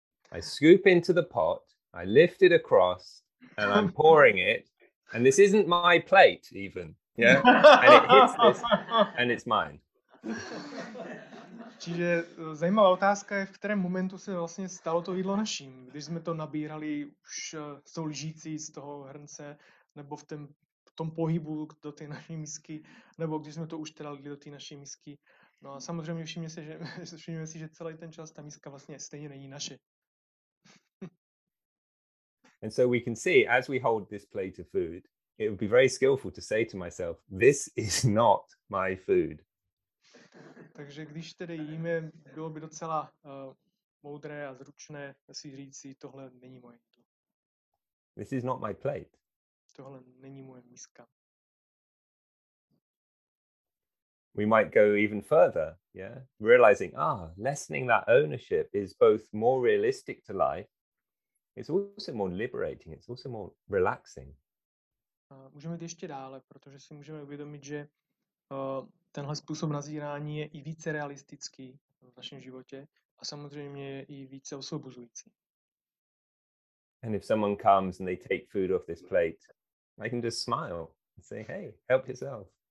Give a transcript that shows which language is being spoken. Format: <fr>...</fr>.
<en>I scoop into the pot, I lift it across, and I'm pouring it, and this isn't my plate even, yeah? And it hits this, and it's mine.</en> <cs>Čiže zajímavá otázka je, v kterém momentu se vlastně stalo to jídlo naším, když jsme to nabírali už jsou lžící z toho hrnce, nebo v tom pohybu do té naší misky, nebo když jsme to už teda lili do té naší misky. No a samozřejmě všimněme si, že celý ten čas ta miska vlastně stejně není naše.</cs> <en>And so we can see, as we hold this plate of food, it would be very skillful to say to myself, this is not my food.</en> <cs>Takže když tedy jíme, bylo by docela moudré a zručné si říct si, tohle není moje.</cs> <en>This is not my plate.</en> <cs>Tohle není moje miska.</cs> <en>We might go even further, yeah? Realizing, lessening that ownership is both more realistic to life, it's also more liberating, it's also more relaxing.</en> <cs>Můžeme jít ještě dále, protože si můžeme uvědomit, že tenhle způsob nazírání je i více realistický v našem životě a samozřejmě je i více osvobozující.</cs> <en>And if someone comes and they take food off this plate, I can just smile and say, hey, help yourself.</en>